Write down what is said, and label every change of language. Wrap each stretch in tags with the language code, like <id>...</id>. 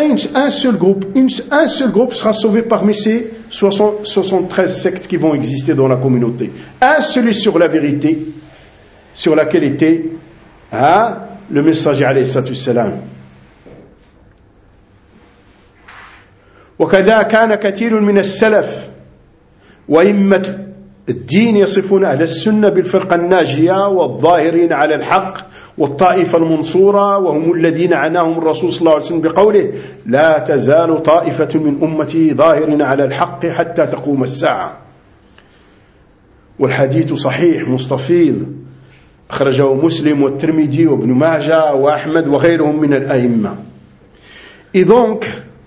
<fr>Un seul groupe sera sauvé parmi ces 73 sectes qui vont exister dans la communauté. Un seul est sur la vérité sur laquelle était, hein, le messager alayhi salatu wassalam.</fr> <ar>وكذا كان كثير من السلف وإمة الدين يصفون أهل السنة بالفرقة الناجية والظاهرين على الحق والطائفة المنصورة وهم الذين عناهم الرسول صلى الله عليه وسلم بقوله لا تزال طائفة من أمتي ظاهرين على الحق حتى تقوم الساعة. والحديث صحيح مستفيض أخرجه مسلم والترمذي وابن ماجة وأحمد وغيرهم من الأئمة. إذنك</ar>